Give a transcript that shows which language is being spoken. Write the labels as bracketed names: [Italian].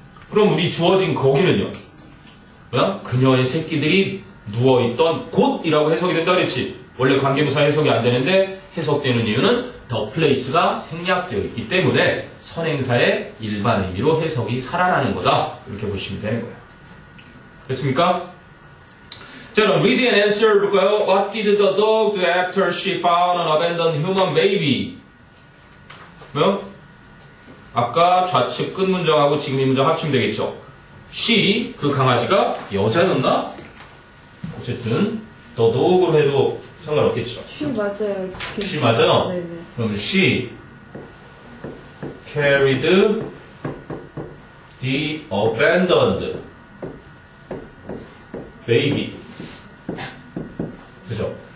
[Korean] 그럼 우리 주어진 거기는요. 그녀의 새끼들이 누워있던 곳이라고 해석이 된다 그랬지. 원래 관계부사 해석이 안 되는데 해석되는 이유는 the place가 생략되어 있기 때문에 선행사의 일반 의미로 해석이 살아나는 거다. 이렇게 보시면 되는 거예요. 됐습니까? 자, 그럼 [English] read and answer [Korean] 볼까요? [English] What did the dog do after she found an abandoned human baby? [Korean] 뭐요? 아까 좌측 끝 문장하고 지금 이 문장 합치면 되겠죠. She, 그 강아지가 여자였나? 어쨌든 the dog으로 해도 상관없겠죠. She 맞아요. She 맞아요? 네네. [English] 그럼 she carried the abandoned baby. 그죠?